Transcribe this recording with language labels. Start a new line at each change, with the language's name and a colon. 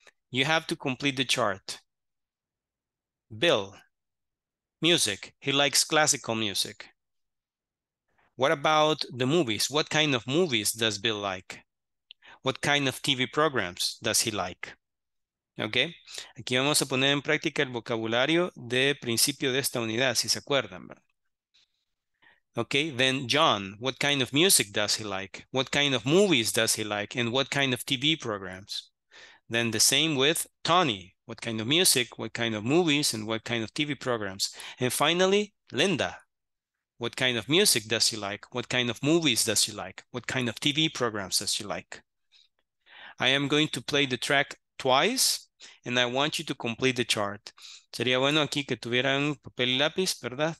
English: You have to complete the chart. Bill, music. He likes classical music. What about the movies? What kind of movies does Bill like? What kind of TV programs does he like?
Spanish: Okay, aquí vamos a poner en práctica el vocabulario de principio de esta unidad, si se acuerdan.
English: Okay, then John, what kind of music does he like? What kind of movies does he like? And what kind of TV programs? Then the same with Tony, what kind of music, what kind of movies, and what kind of TV programs? And finally, Linda, what kind of music does she like? What kind of movies does she like? What kind of TV programs does she like? I am going to play the track twice, and I want you to complete the chart.
Spanish: Sería bueno aquí que tuvieran papel y lápiz, ¿verdad?